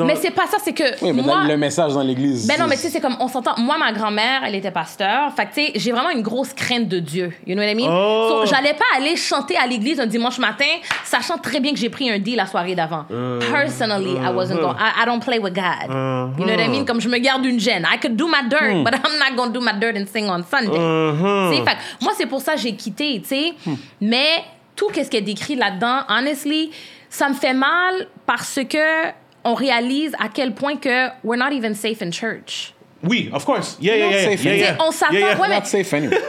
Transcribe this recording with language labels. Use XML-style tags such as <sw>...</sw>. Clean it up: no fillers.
<fr>Mais c'est pas ça, c'est que... Oui, mais moi... le message dans l'église... Ben non, mais tu sais, c'est comme... On s'entend... Moi, ma grand-mère, elle était pasteur. Fait que, tu sais, j'ai vraiment une grosse crainte de Dieu.</fr> <en>You know what I mean? Oh.</en> <fr>So, j'allais pas aller chanter à l'église un dimanche matin, sachant très bien que j'ai pris un deal la soirée d'avant.</fr> <en>Personally, I wasn't going... I don't play with God. You know what I mean?</en> <fr>Comme je me garde une gêne.</fr> <en>I could do my dirt, but I'm not going to do my dirt and sing on Sunday. Uh-huh.</en> <fr>Fait, moi, c'est pour ça que j'ai quitté, tu sais. Mais tout ce qui est décrit là-dedans, honestly, ça me fait mal parce que on réalise à quel point que</fr> <en>we're not even safe in church. Oui, of course. Yeah.</en> <fr>On s'attend.</fr>